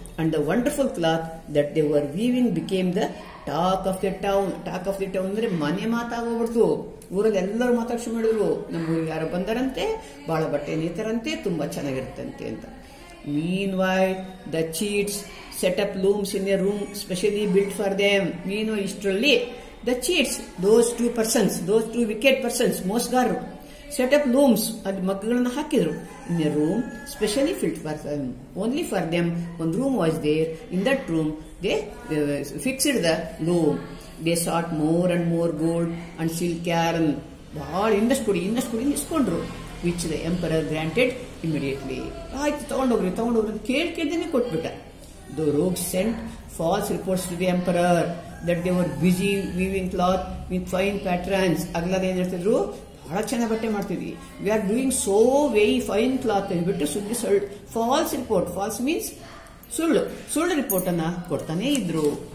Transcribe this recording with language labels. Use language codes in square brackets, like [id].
[en] And the wonderful cloth that they were weaving became the talk of the town. Talk of the town [kn] ಅಂದ್ರೆ ಮನೆ ಮಾತಾಗೋಗ್ಬಿಡ್ತು, ಊರಲ್ಲಿ ಎಲ್ಲರೂ ಮಾತಾಡ್ಸಿ ಮಾಡಿದ್ರು, ನಮ್ಮ ಊರಿಗೆ ಯಾರು ಬಂದರಂತೆ, ಬಹಳ ಬಟ್ಟೆ ನೇತರಂತೆ, ತುಂಬಾ ಚೆನ್ನಾಗಿರುತ್ತಂತೆ ಅಂತ. [en] Meanwhile, the cheats set up looms in a room specially built for them. Meanwhile, [kn] ಇಷ್ಟರಲ್ಲಿ [en] the cheats, those two wicked persons, ಮೋಸಗಾರರು, set up looms, [kn] ಅದು ಮಗ್ಗಳನ್ನ ಹಾಕಿದ್ರು, [en] In a room specially built for them, only for them. [kn] ಒಂದು room [en] Was there, in that room they fixed the loom. they sought more and more gold and silk yarn. [kn] ಭಾಳ ಇಂದಸ್ಕೊಡಿ ಇಂದಸ್ಕೊಡಿ ಇಸ್ಕೊಂಡ್ರು. [en] Which the emperor granted immediately. [kn] ಆಯ್ತು ತಗೊಂಡೋಗ್ರಿ ತಗೊಂಡೋಗ್ರಿ ಅಂತ ಕೇಳ್ಕೇದೇನೆ ಕೊಟ್ಬಿಟ್ಟ. [en] The rogue sent false reports to the emperor that they were busy weaving cloth with fine patterns. [kn] ಅಗ್ಲದ ಏನ್ ಹೇಳ್ತಿದ್ರು, ಬಹಳ ಚೆನ್ನಾಗಿ ಬಟ್ಟೆ ಮಾಡ್ತಿದ್ವಿ, [en] we are doing so very fine cloth [kn] ಅಂದ್ಬಿಟ್ಟು ಸುಳ್ಳು ಫಾಲ್ಸ್ ರಿಪೋರ್ಟ್, [en] false means [kn] ಸುಳ್ಳು, ಸುಳ್ಳು ರಿಪೋರ್ಟ್ ಅನ್ನ ಕೊಡ್ತಾನೆ ಇದ್ರು.